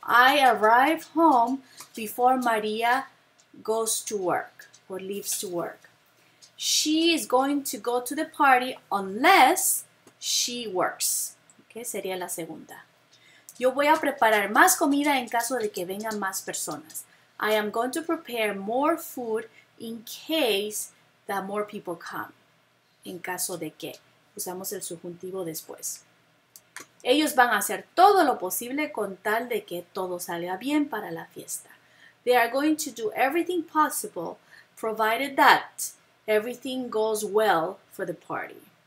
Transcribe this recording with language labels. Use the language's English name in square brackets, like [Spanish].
[English] I arrive home before María goes to work or leaves to work. She is going to go to the party unless she works. ¿Okay? [Spanish] Sería la segunda. Yo voy a preparar más comida en caso de que vengan más personas. [English] I am going to prepare more food in case that more people come, [Spanish] en caso de que. Usamos el subjuntivo después. Ellos van a hacer todo lo posible con tal de que todo salga bien para la fiesta. [English] They are going to do everything possible, provided that everything goes well for the party.